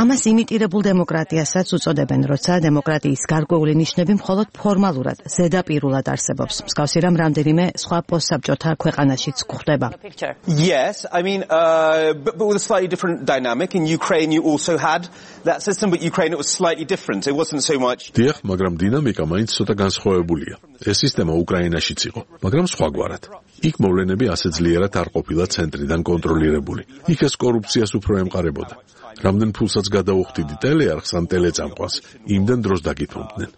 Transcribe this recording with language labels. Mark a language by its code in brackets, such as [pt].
[ka] იმიტირებულ დემოკრატიასაც უწოდებენ, როცა დემოკრატიის გარკვეული ნიშნები მხოლოდ ფორმალურად, ზედაპირულად არსებობს. მსგავსი რამ რამდენიმე სხვა პოსტსაბჭოთა ქვეყანაშიც ხდება. [en] Yes, I mean but with a slightly different dynamic. In Ukraine you also had that system, but Ukraine it was slightly different. It wasn't so much. [ka] დიახ, მაგრამ დინამიკა მაინც ცოტა განსხვავებულია. ეს სისტემა უკრაინაშიც იყო, მაგრამ სხვაგვარად. იქ მოვლენები ასე ძლიერად არ ყოფილა ცენტრიდან კონტროლირებული. იქ ეს კორუფციას უფრო ემყარებოდა. რამდენ ფულსაც გადაუხდიდი ტელეარხს ან ტელეწამყვას, იმდენ დროს დაგითმობდნენ.